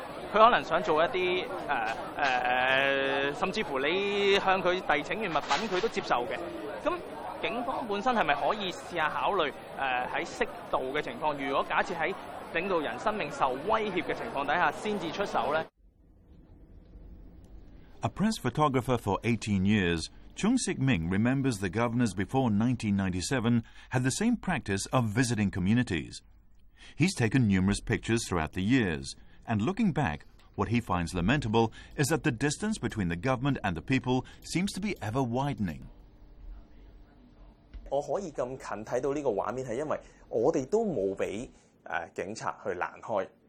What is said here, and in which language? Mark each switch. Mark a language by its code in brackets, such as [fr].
[yue] 他可能想做一些甚至乎你向他遞請完物品他都接受的，那警方本身是不是可以試下考慮在適度的情況，如果假設在領導人生命受威脅的情況底下才出手呢？ [en] A press photographer for 18 years, Chung Sik Ming remembers the governors before 1997 had the same practice of visiting communities. He's taken numerous pictures throughout the years. And looking back, what he finds lamentable is that the distance between the government and the people seems to be ever widening. [yue] 我可以咁近睇到呢個畫面，係因為我哋都冇俾警察去攔開。